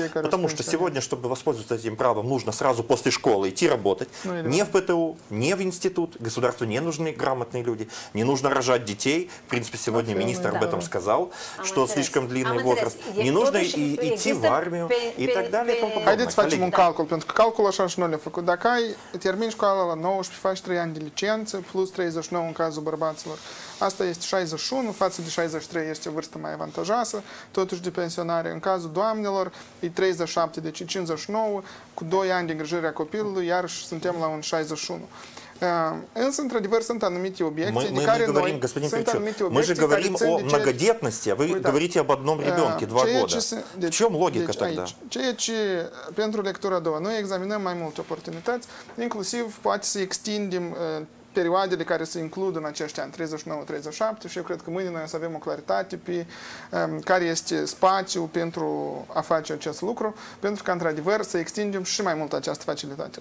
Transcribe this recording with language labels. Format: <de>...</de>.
<ru>Потому что сегодня, чтобы воспользоваться этим правом, нужно сразу после школы идти работать. Не в ПТУ, не в институт. Государству не нужны грамотные люди. Не нужно рожать детей. В принципе, сегодня министр об этом сказал, что слишком длинный возраст. Не нужно идти в армию и так далее.</ru> <ro>Хайдите, сфачим un calcul, pentru că calculul așa și noi le-a făcut. Dacă ai termin școala la 19, faci 3 ani de licență, plus 39 în cazul bărbaților. Asta este 61, față de 63 este vârsta mai avantajoasă, totuși de pensionare. În cazul doamnelor, e 37, deci 59, cu 2 ani de îngrijire a copilului, iarăși suntem la un 61. Însă, într-adevăr, sunt anumite obiecții, de care noi</ro> <ru>говорим, господин Кричу,</ru> <ro>sunt anumite obiecții.</ro> <ru>Мы же говорим о многодетности, а вы говорите об одном ребенке, 2 года. В чем логика тогда?</ru> <ro>Ceea ce, pentru lectura a doua, noi examinăm mai multe oportunități, inclusiv poate să extindem perioadele care se includ în acești ani, 39-37, și eu cred că mâine noi o să avem o claritate pe care este spațiul pentru a face acest lucru, pentru că, într-adevăr, să extindem și mai mult această facilitate.</ro>